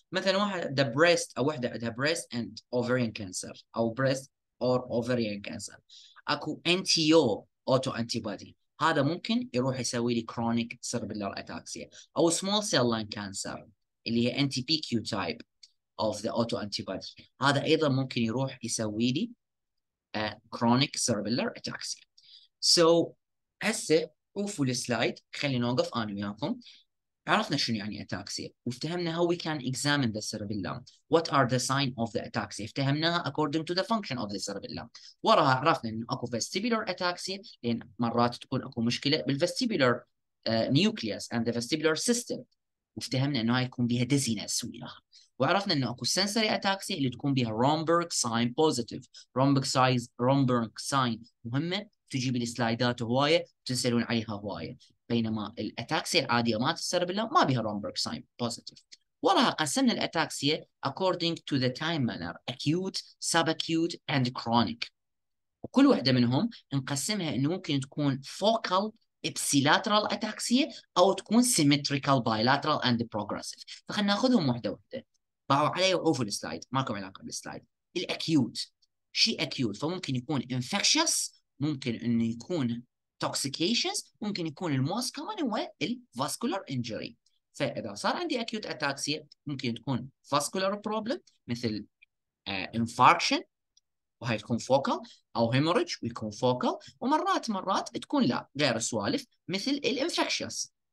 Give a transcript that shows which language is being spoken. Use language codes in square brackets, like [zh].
[ar] مثلا واحد ذا بريست او وحده عندها بريست اند اوفرين كانسر او بريست اور اوفرين كانسر، اكو انتي يو اوتو انتي بودي، هذا ممكن يروح يسوي لي كرونيك سيربيلر اتاكسيا. او سمول سيل لاين كانسر اللي هي انتي بي كيو تايب اوف ذا اوتو انتي بودي، هذا ايضا ممكن يروح يسوي لي كرونيك سيربيلر اتاكسيا. سو هسه شوفوا السلايد، خلينا نوقف انا وياكم. عرفنا شنو يعني اتاكسيا وافتهمنا [en] how we can examine the cerebellum. What are the signs of the ataxia؟ [ar] افتهمناها [en] according to the function of the cerebellum. [ar] وراها عرفنا انه اكو vestibular ataxia، لان مرات تكون اكو مشكله بالvestibular nucleus and the vestibular system. وافتهمنا انه هاي يكون بها dizziness وياها. وعرفنا انه اكو sensory ataxia اللي تكون بها Romberg sign positive. Romberg sign مهمه تجيب السلايدات هواية تنسلون عليها هواية، بينما الأتاكسيا العادية ما تسربلها ما بها رومبرغ ساين بوزيتيف. وراها قسمنا الأتاكسيا according to the time manner acute, subacute and chronic، وكل واحدة منهم نقسمها انه ممكن تكون focal ipsilateral أتاكسيا او تكون symmetrical bilateral and progressive. فخلنا ناخذهم واحدة واحدة. باعوا علي وعوفوا السلايد، ماكم علاقة بالسلايد. الأكيوت شي أكيوت فممكن يكون infectious، ممكن انه يكون توكسيكيشنز، ممكن يكون الموست كومن هو الفاسكولار انجري. فاذا صار عندي اكيوت اتاكسيا ممكن تكون فاسكولار بروبلم مثل انفاركشن وهي تكون فوكال، او هيموريج ويكون فوكال، ومرات مرات تكون لا غير سوالف مثل الانفكشنز.